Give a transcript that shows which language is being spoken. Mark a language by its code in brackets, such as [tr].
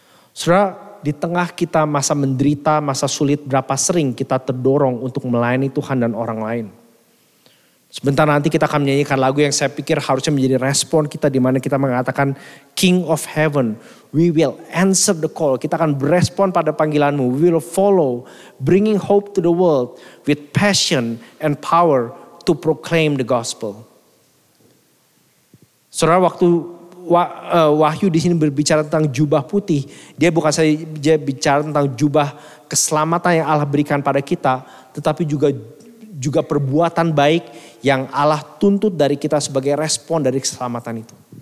[id] Saudara, di tengah kita masa menderita, masa sulit, berapa sering kita terdorong untuk melayani Tuhan dan orang lain. Sebentar nanti kita akan menyanyikan lagu yang saya pikir harusnya menjadi respon kita, di mana kita mengatakan [en] King of Heaven, we will answer the call. [id] Kita akan berespon pada panggilanmu. [en] We will follow, bringing hope to the world with passion and power to proclaim the gospel. [id] Saudara, waktu Wahyu di sini berbicara tentang jubah putih, dia bukan saja bicara tentang jubah keselamatan yang Allah berikan pada kita, tetapi juga perbuatan baik yang Allah tuntut dari kita sebagai respon dari keselamatan itu.